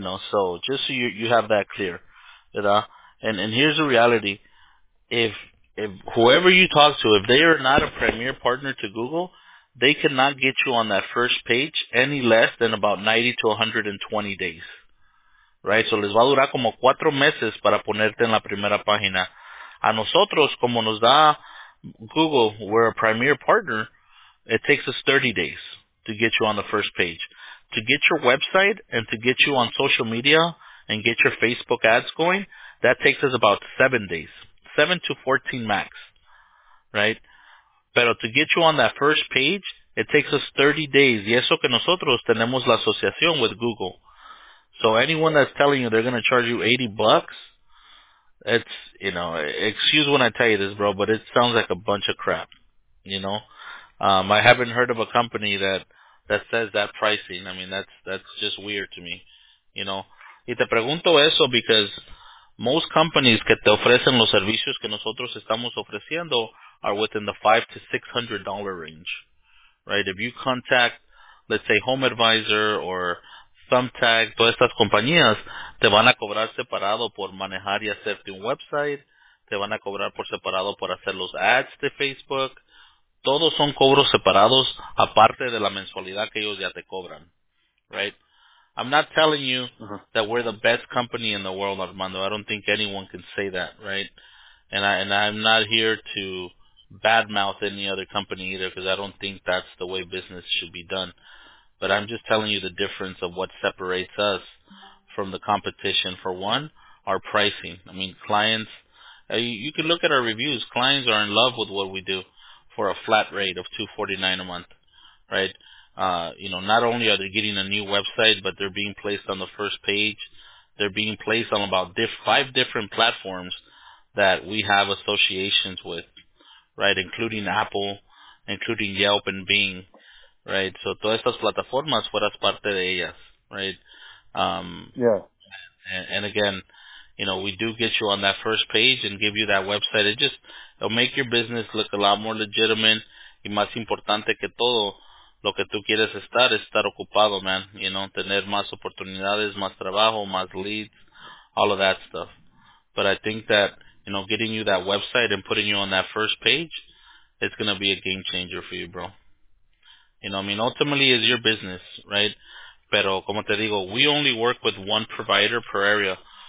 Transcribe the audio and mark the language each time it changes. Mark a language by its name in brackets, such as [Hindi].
[English] So just so you have that clear. And here's the reality. If whoever you talk to, if they are not a premier partner to Google, they cannot get you on that first page any less than about 90 to 120 days. Right? [Spanish] So les va a durar como 4 meses para ponerte en la primera página. A nosotros, como nos da Google, [English] we're a premier partner, it takes us 30 days to get you on the first page. To get your website and to get you on social media and get your Facebook ads going, that takes us about 7 days. 7 to 14 max, right? [Spanish] Pero [English] to get you on that first page, it takes us 30 days. [Spanish] Y eso que nosotros tenemos la asociación [English] with Google. So anyone that's telling you they're going to charge you 80 bucks, it's, excuse when I tell you this, bro, but it sounds like a bunch of crap, I haven't heard of a company that says that pricing. I mean, that's just weird to me, [Spanish] Y te pregunto eso [English] because most companies [Spanish] que te ofrecen los servicios que nosotros estamos ofreciendo [English] are within the $500 to $600 range, right? If you contact, let's say, [Spanish] Home Advisor or Thumbtack, todas estas compañías, te van a cobrar separado por manejar y hacerte un website, te van a cobrar por separado por hacer los ads de Facebook. Todos son cobros separados aparte de la mensualidad que ellos ya te cobran, right? [English] I'm not telling you that we're the best company in the world, Armando. I don't think anyone can say that, right? And I'm not here to badmouth any other company either, because I don't think that's the way business should be done. But I'm just telling you the difference of what separates us from the competition. For one, our pricing. I mean, clients, You can look at our reviews. Clients are in love with what we do for a flat rate of $249 a month, right? You know, not only are they getting a new website, but they're being placed on the first page. They're being placed on about five different platforms that we have associations with, right, including Apple, including Yelp and Bing, right? [Spanish] So todas estas plataformas fueras parte de ellas, right? [English] And again, you know, we do get you on that first page and give you that website. It just, it'll make your business look a lot more legitimate. [Spanish] Y más importante que todo, lo que tú quieres estar es estar ocupado, man. [English] You know, [Spanish] tener más oportunidades, más trabajo, más leads, [English] all of that stuff. But I think that, you know, getting you that website and putting you on that first page, it's going to be a game changer for you, bro. You know, I mean, ultimately, it's your business, right? [Spanish] Pero, como te digo, [English] we only work with one provider per area.